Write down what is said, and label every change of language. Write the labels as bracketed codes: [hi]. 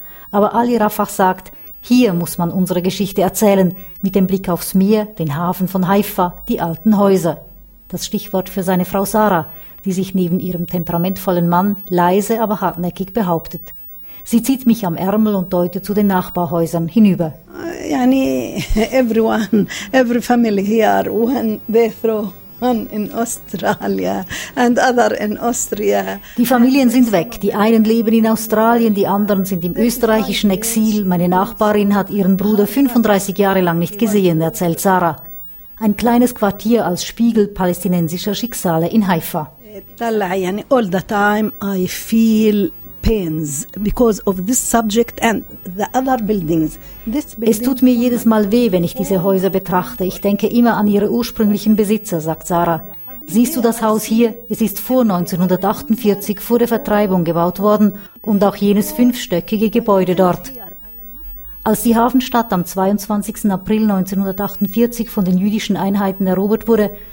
[de] Aber Ali Rafah sagt, hier muss man unsere Geschichte erzählen, mit dem Blick aufs Meer, den Hafen von Haifa, die alten Häuser. Das Stichwort für seine Frau Sarah, die sich neben ihrem temperamentvollen Mann leise, aber hartnäckig behauptet. Sie zieht mich am Ärmel und deutet zu den Nachbarhäusern hinüber. [en] Yani, everyone, every family here, when they throw. In Australia and other in Austria. [de] Die Familien sind weg. Die einen leben in Australien, die anderen sind im österreichischen Exil. Meine Nachbarin hat ihren Bruder 35 Jahre lang nicht gesehen, erzählt Sarah. Ein kleines Quartier als Spiegel palästinensischer Schicksale in Haifa. [en] All the time I feel pains because of this subject and the other buildings. [de] Es tut mir jedes Mal weh, wenn ich diese Häuser betrachte. Ich denke immer an ihre ursprünglichen Besitzer, sagt Sarah. Siehst du das Haus hier? Es ist vor 1948, vor der Vertreibung, gebaut worden und auch jenes fünfstöckige Gebäude dort. Als die Hafenstadt am 22. April 1948 von den jüdischen Einheiten erobert wurde,